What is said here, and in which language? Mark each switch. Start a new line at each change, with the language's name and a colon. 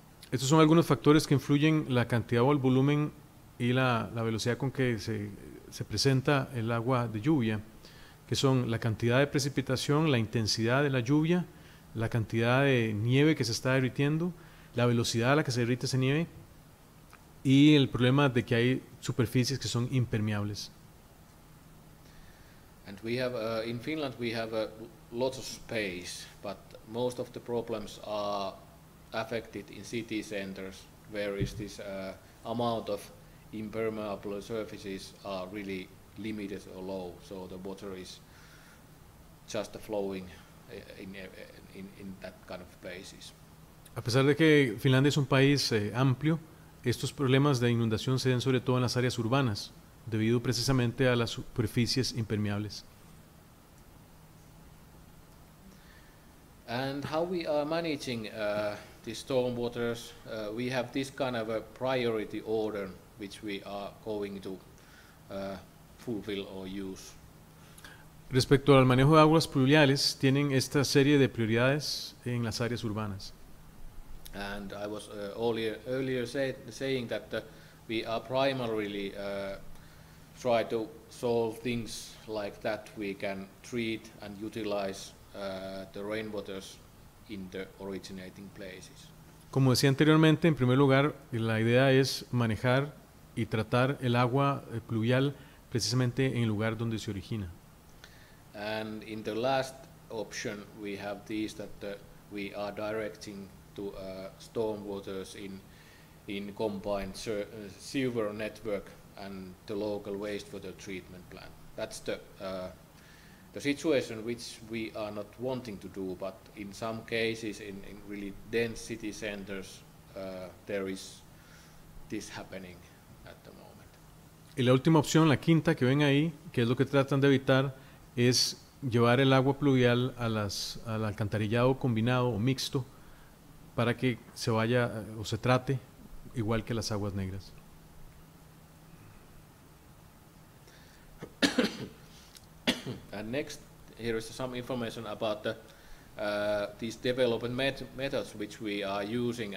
Spanish: Estos son algunos factores que influyen la cantidad o el volumen y la velocidad con que se presenta el agua de lluvia, que son la cantidad de precipitación, la intensidad de la lluvia, la cantidad de nieve que se está derritiendo, la velocidad a la que se derrite esa nieve y el problema de que hay superficies que son impermeables.
English: And we have in Finland we have a lot of space, but most of the problems are affected in city centers, where is this amount of impermeable surfaces are really limited or low, so the water is just flowing in that kind of places.
Spanish: A pesar de que Finlandia es un país amplio, estos problemas de inundación se dan sobre todo en las áreas urbanas, debido precisamente a las superficies impermeables.
English: And how we are managing the storm waters, we have this kind of a priority order which we are going to fulfill or use.
Spanish: Respecto al manejo de aguas pluviales, tienen esta serie de prioridades en las áreas urbanas.
English: And I was earlier saying that we are primarily try to solve things like that we can treat and utilize the rainwaters in the originating places.
Spanish: Como decía anteriormente, en primer lugar, la idea es manejar y tratar el agua pluvial precisamente en el lugar donde se origina.
English: And in the last option we have this that we are directing to storm waters in combined sewer network and the local wastewater treatment plant. That's the situation which we are not wanting to do, but in some cases in really dense city centers there is this happening at the moment.
Spanish: Y la última opción, la quinta que ven ahí, que es lo que tratan de evitar, es llevar el agua pluvial al alcantarillado combinado o mixto para que se vaya o se trate igual que las aguas negras.
English: And next, here is some information about the, these development methods which we are using.